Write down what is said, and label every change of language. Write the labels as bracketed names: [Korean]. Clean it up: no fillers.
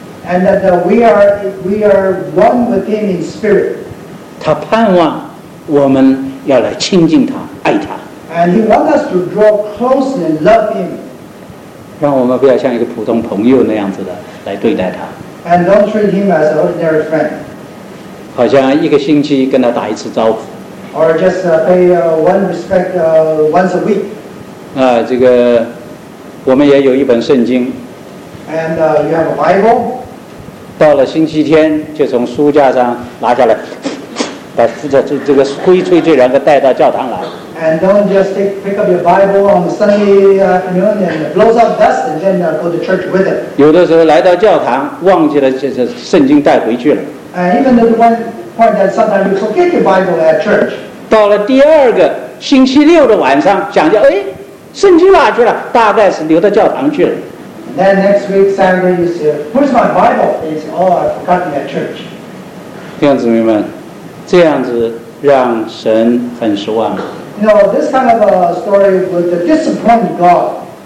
[English] And that we are one with Him in spirit. [Chinese] 他盼望我们要来亲近他，爱他。 [English] And He wants us to draw close and love Him. [Chinese] 让我们不要像一个普通朋友那样子的来对待他。 [English] And don't treat Him as an ordinary friend. [Chinese] 好像一个星期跟他打一次招呼。 [English] Or just pay one respect once a week. [Chinese] 啊，这个我们也有一本圣经。 [English] And you have a Bible. [Chinese] 到了星期天就从书架上拿下来，把这个灰吹吹，然后带到教堂来。 [English] and don't just pick up your Bible on Sunday afternoon and blow up dust and then go to church with it. [Chinese] 有的时候来到教堂, 忘记了圣经带回去了。 [English] And even the one point that sometimes you forget your Bible at church. [Chinese] 到了第二个星期六的晚上, 讲究, 诶, 圣经哪去了, 大概是留到教堂去了。 [English] Then next week, Saturday, you say, where's my Bible? It's all I've forgotten at church. [Chinese] 弟兄姊妹们, 这样子, 让神很失望。 [English] No, this kind of a story would disappoint God.